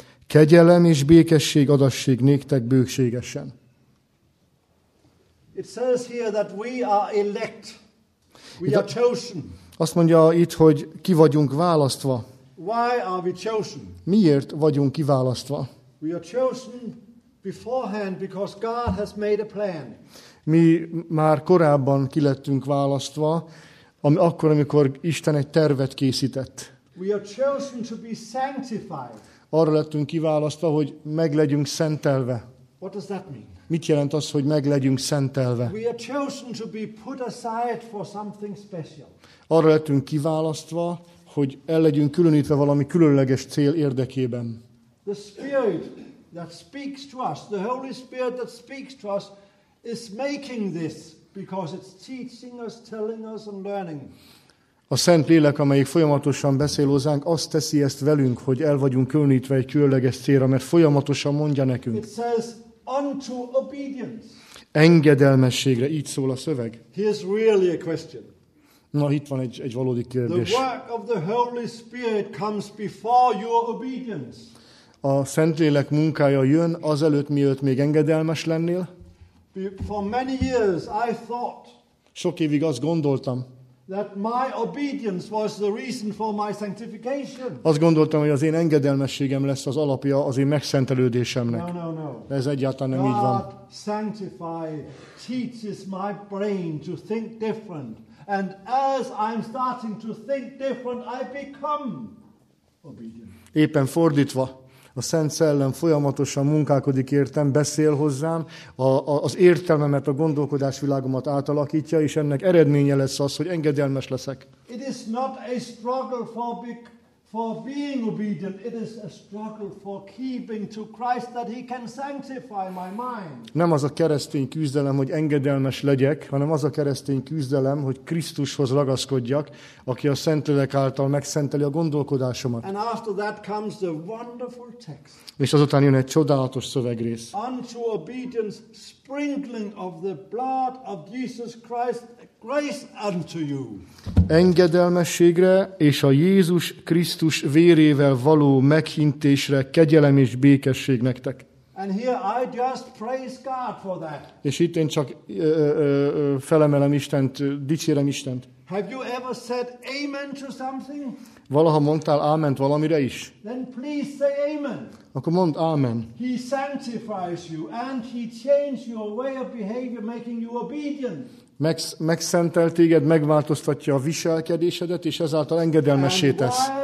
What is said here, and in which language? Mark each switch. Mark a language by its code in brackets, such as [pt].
[hu] Kegyelem és békesség adassék néktek bőségesen. [en] It says here that we are elect. We are chosen. [hu] Azt mondja itt, hogy ki vagyunk választva. [en] Why are we chosen? [hu] Miért vagyunk kiválasztva? [en] We are chosen beforehand because God has made a plan. [hu] Mi már korábban ki lettünk választva, akkor, amikor Isten egy tervet készített. [en] We are chosen to be sanctified. [hu] Arra lettünk kiválasztva, hogy meg legyünk szentelve. [en] What does that mean? [hu] Mit jelent az, hogy meg legyünk szentelve? [en] We are chosen to be put aside for something special. [hu] Arra lettünk kiválasztva, hogy el legyünk különítve valami különleges cél érdekében. [en] The Spirit that speaks to us, the Holy Spirit that speaks to us is making this because it's teaching us, telling us and learning. [hu] A Szent Lélek, amelyik folyamatosan beszél hozzánk, azt teszi ezt velünk, hogy el vagyunk különítve egy különleges célra, mert folyamatosan mondja nekünk. [en] It says unto obedience. [hu] Engedelmességre, így szól a szöveg. [en] Here's really a question. [hu] Na, itt van egy valódi kérdés. [en] The work of the Holy Spirit comes before your obedience. [hu] A Szentlélek munkája jön azelőtt, mielőtt még engedelmes lennél. [en] For many years I thought. [hu] Sok évig azt gondoltam. [en] That my obedience was the reason for my sanctification. [hu] Azt gondoltam, hogy az én engedelmességem lesz az alapja az én megszentelődésemnek. [en] No. [hu] Ez egyáltalán nem [en] God [hu] így van. [en] God sanctify teaches my brain to think different. And as I'm starting to think different, I become obedient. [hu] Éppen fordítva, a Szent Szellem folyamatosan munkálkodik értem, beszél hozzám, az értelmemet, a gondolkodásvilágomat átalakítja, és ennek eredménye lesz az, hogy engedelmes leszek. [en] It is not a struggle for being obedient, it is a struggle for keeping to Christ that he can sanctify my mind. [hu] Nem az a keresztény küzdelem, hogy engedelmes legyek, hanem az a keresztény küzdelem, hogy Krisztushoz ragaszkodjak, aki a Szentlélek által megszenteli a gondolkodásomat. [en] And after that comes the wonderful text. [hu] És azután jön egy csodálatos szövegrész. [en] Unto obedience sprinkling of the blood of Jesus Christ. Grace unto you. [hu] Engedelmességre és a Jézus Krisztus vérével való meghintésre kegyelem és békesség nektek. [en] And here I just praise God for that. [hu] És itt én csak felemelem Istent, dicsérem Istent. [en] Have you ever said amen to something? [hu] Valaha mondtál áment valamire is? [en] Then please say amen. [hu] Akkor mondd ámen. [en] He sanctifies you and he changes your way of behavior, making you obedient. [hu] Megszentel téged, megváltoztatja a viselkedésedet, és ezáltal engedelmessé tesz.